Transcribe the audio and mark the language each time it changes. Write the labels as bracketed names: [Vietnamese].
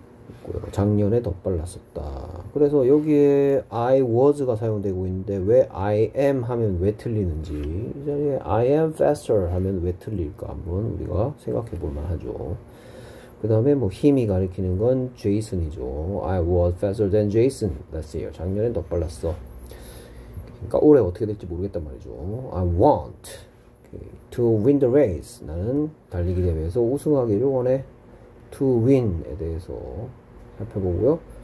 [Korean] 있고요. 작년에 더 빨랐었다. 그래서 여기에 I was가 사용되고 있는데 왜 I am 하면 왜 틀리는지, 이 자리에 [English] I am faster [Korean] 하면 왜 틀릴까 한번 우리가 생각해 볼 만하죠. 그 다음에 뭐 힘이 가리키는 건 제이슨이죠. [English] I was faster than Jason last year. [Korean] 작년엔 더 빨랐어. 그러니까 올해 어떻게 될지 모르겠단 말이죠. [English] I want to win the race. [Korean] 나는 달리기 대회에서 우승하기를 원해. To win에 대해서 살펴보고요.